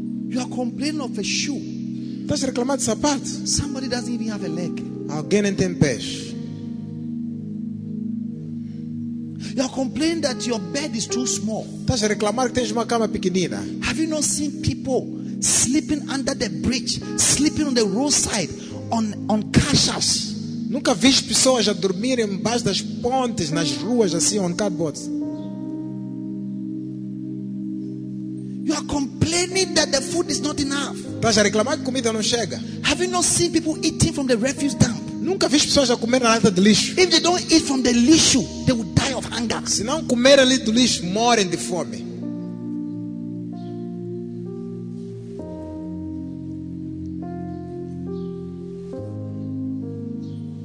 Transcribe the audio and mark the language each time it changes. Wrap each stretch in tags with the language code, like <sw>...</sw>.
<en>You are complaining of a shoe.</en> <pt>Estás a reclamar de sapato.</pt> <en>Somebody doesn't even have a leg.</en> <pt>Alguém não tem pés.</pt> <en>You are complaining that your bed is too small.</en> <pt>Estás a reclamar que tens uma cama pequenina.</pt> <en>Have you not seen people sleeping under the bridge, sleeping on the roadside, on caixas?</en> <pt>Nunca viste pessoas a dormir embaixo das pontes, nas ruas assim,</pt> <en>on cardboards? You are food is not enough.</en> <pt>Tá já reclamar que comida não chega?</pt> <en>Have you not seen people eating from the refuse dump?</en> <pt>Nunca vi pessoas a comer na lata de lixo.</pt> <en>If they don't eat from the lixo, they will die of hunger.</en> <pt>Se não comer ali do lixo, morrem de fome.</pt>